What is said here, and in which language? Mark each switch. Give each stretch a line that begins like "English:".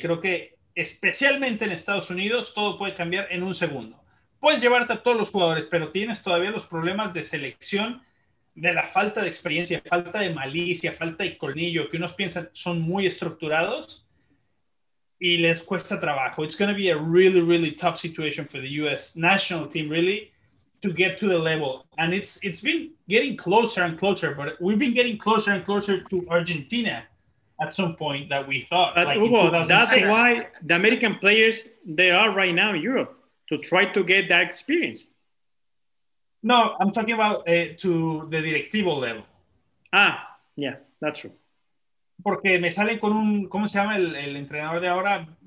Spanish: Y creo que especialmente en Estados Unidos todo puede cambiar en un segundo. Puedes llevarte a todos los jugadores, pero tienes todavía los problemas de selección, de la falta de experiencia, falta de malicia, falta de colmillo, que unos piensan son muy estructurados y les cuesta trabajo.
English: It's going to be a really, really tough situation for the U.S. national team, really, to get to the level. And it's been getting closer and closer, but we've been getting closer and closer to Argentina at some point that we thought. But like, Hugo, that's why the American players, they are right now in Europe, to try to get that experience. No, I'm talking about to the directivo level. Ah, yeah, that's true.
Spanish: Porque me salen con un, ¿cómo se llama el entrenador de ahora?